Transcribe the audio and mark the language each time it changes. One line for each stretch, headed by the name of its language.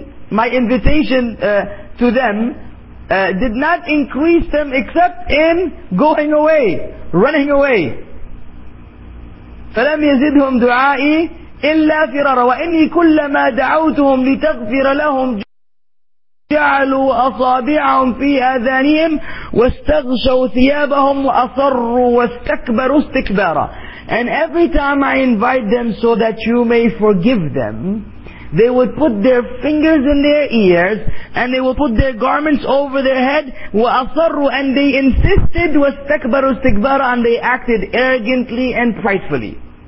English: My invitation to them did not increase them except in going away, running away.
Arabic: فلم يزدهم دعائي إلا فرارا وإني كلما دعوتهم لتغفر لهم جعلوا أصابعهم في آذانهم واستغشوا ثيابهم وأصروا واستكبروا استكبارا.
English: And every time I invite them so that you may forgive them, they would put their fingers in their ears and they would put their garments over their head
Arabic: وَأَصَرُّوا
English: and they insisted
Arabic: وَاسْتَكْبَرُوا اسْتِكْبَارًا
English: and they acted arrogantly and pridefully.